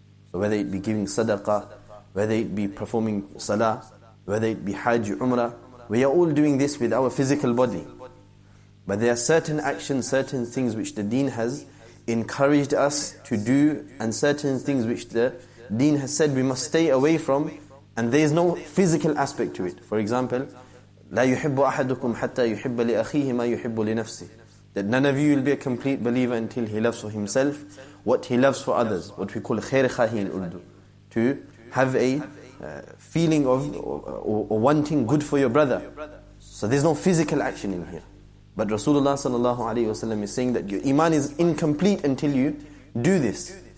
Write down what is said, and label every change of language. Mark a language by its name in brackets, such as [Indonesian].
[English] So whether it be giving sadaqah, whether it be performing salah, whether it be hajj, umrah, we are all doing this with our physical body. But there are certain actions, certain things which the deen has encouraged us to do, and certain things which the deen has said we must stay away from, and there is no physical aspect to it. [Arabic] For example, لا يحب أحدكم حتى يحب لأخيه ما يحب لنفسه. [English] That none of you will be a complete believer until he loves for himself what he loves for others, what we call khair khahi in Urdu. To have a feeling of or wanting good for your brother. So there's no physical action in here. But Rasulullah sallallahu alayhi wa sallam is saying that your iman is incomplete until you do this.